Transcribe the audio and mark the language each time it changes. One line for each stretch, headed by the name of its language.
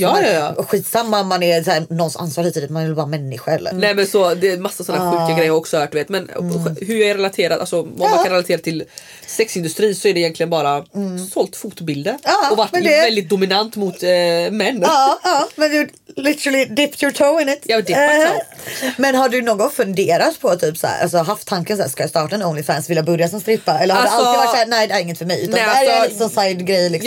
Swedish: Alltså, ja. Skitsamma, man är så här någons ansvar lite, man vill vara människa eller. Nej, men så det är massa sådana sjuka grejer också hört, vet. Men hur jag är relaterad, alltså om man kan relatera till sexindustri, så är det egentligen bara sålt fotbilder och varit väldigt dominant mot män. Men du
English: literally dipped your toe in it.
Swedish: Ja, men har du någon gång funderat på typ så här, alltså haft tanken så här, ska jag starta en OnlyFans, vill jag börja som strippa, eller har alltså, du alltid varit så här, nej det är inget för mig, utan nej, alltså, det är en liksom side grej liksom.